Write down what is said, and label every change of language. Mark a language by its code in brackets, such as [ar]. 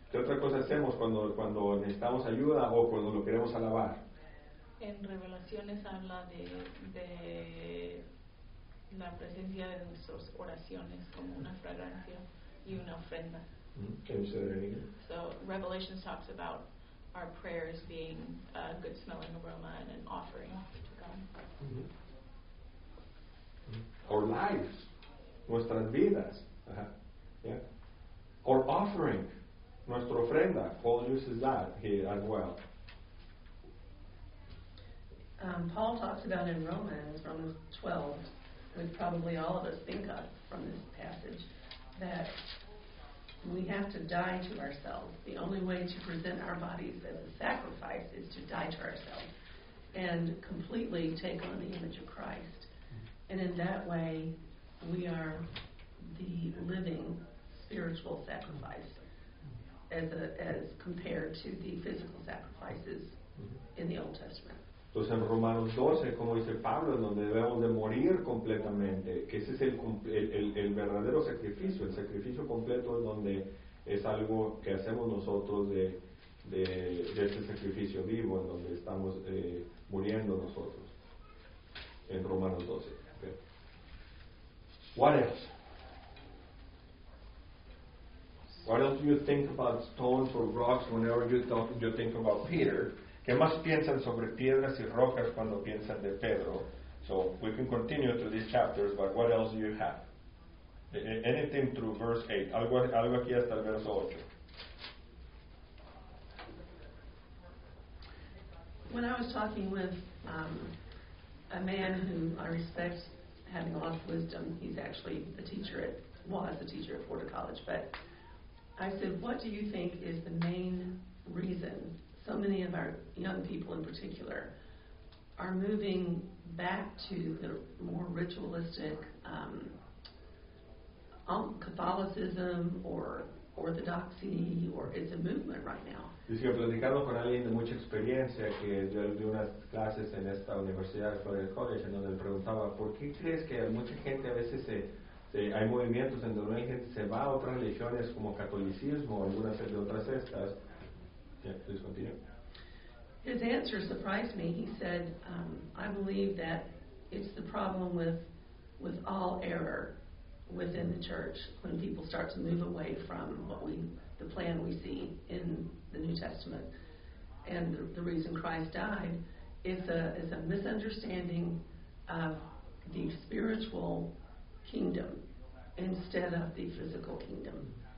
[es] ¿Qué otra cosa hacemos cuando necesitamos ayuda o cuando lo queremos alabar? En Revelaciones habla de la presencia de nuestras oraciones como una fragancia y una ofrenda. [en] Can you say that again? So Revelations talks about our prayers being a good smelling aroma and an offering to God. Mm-hmm. Our lives, [es] nuestras vidas, [en] yeah. Our offering, [es] nuestra ofrenda. [en] Paul uses that here as well. Paul talks about in Romans 12, which probably all of us think of from this passage, that we have to die to ourselves. The only way to present our bodies as a sacrifice is to die to ourselves and completely take on the image of Christ. And in that way, we are the living spiritual sacrifice as compared to the physical sacrifices in the Old Testament. [es] Entonces en Romanos 12, como dice Pablo, en donde debemos de morir completamente, que ese es el verdadero sacrificio, el sacrificio completo es donde es algo que hacemos nosotros de ese sacrificio vivo, en donde estamos muriendo nosotros, en Romanos 12. [en] Okay. What else? What else do you think about stones or rocks whenever you think about Peter? [es] ¿Qué más piensan sobre piedras y rocas cuando piensan de Pedro? [en] So, we can continue through these chapters, but what else do you have? Anything through verse 8. [es] Algo aquí hasta el verso 8. [en] When I was talking with a man who I respect having a lot of wisdom, he's actually a teacher at Florida College, but I said, what do you think is the main reason so many of our young people in particular are moving back to the more ritualistic Catholicism or Orthodoxy, or it's a movement right now? [es] Dice que platicando con alguien de mucha experiencia que yo di unas clases en esta universidad, Florida College, en donde le preguntaba, ¿por qué crees que mucha gente a veces hay movimientos en donde la gente se va a otras religiones como catolicismo o algunas de otras estas? [en] Yeah, please continue. His answer surprised me. He said, I believe that it's the problem with all error within the church when people start to move away from the plan we see in the New Testament. And the reason Christ died is a misunderstanding of the spiritual kingdom instead of the physical kingdom.